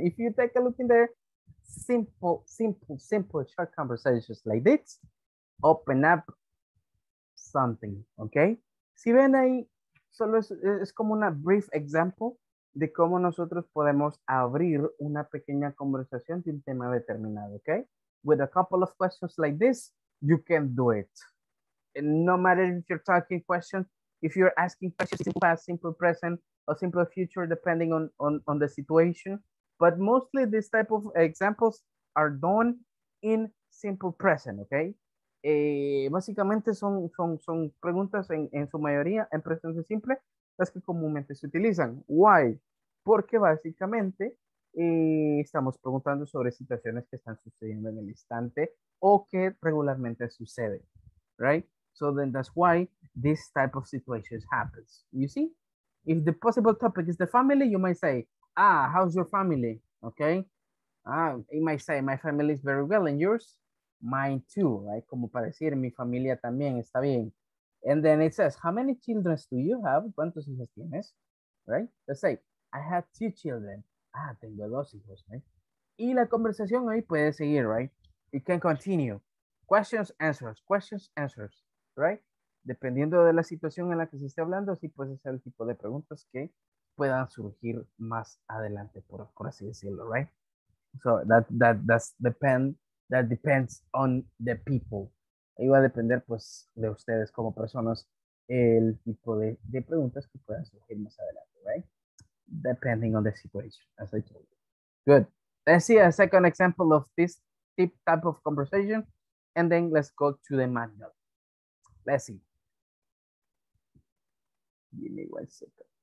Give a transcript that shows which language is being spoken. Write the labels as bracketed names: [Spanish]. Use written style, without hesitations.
[English] If you take a look in there, simple, short conversations like this, open up something, okay? [Spanish] Si ven ahí, solo es como una brief example de cómo nosotros podemos abrir una pequeña conversación de un tema determinado, okay? [English] With a couple of questions like this, you can do it. And no matter if you're talking questions, if you're asking questions, simple past, simple present, or simple future, depending on the situation. But mostly these type of examples are done in simple present, okay? [Spanish] Básicamente son preguntas en su mayoría en presente simple las que comúnmente se utilizan. Why? Porque básicamente estamos preguntando sobre situaciones que están sucediendo en el instante o que regularmente suceden, right? [English] So then that's why this type of situations happens. You see? If the possible topic is the family, you might say, ah, how's your family? Okay? Ah, you might say, my family is very well and yours? Mine too, right? [Spanish] Como para decir, mi familia también está bien. [English] And then it says, how many children do you have? [Spanish] ¿Cuántos hijos tienes? [English] Right? Let's say, I have two children. [Spanish] Ah, tengo dos hijos, right? Y la conversación ahí puede seguir, right? [English] It can continue. Questions, answers, right? [Spanish] Dependiendo de la situación en la que se esté hablando, así puede ser el tipo de preguntas que puedan surgir más adelante, por así decirlo, right? [English] So that depends on the people. [Spanish] Ahí va a depender, pues, de ustedes como personas, el tipo de preguntas que puedan surgir más adelante, right? [English] Depending on the situation, as I told you. Good. Let's see a second example of this type of conversation, and then let's go to the manual. Let's see. Give me 1 second.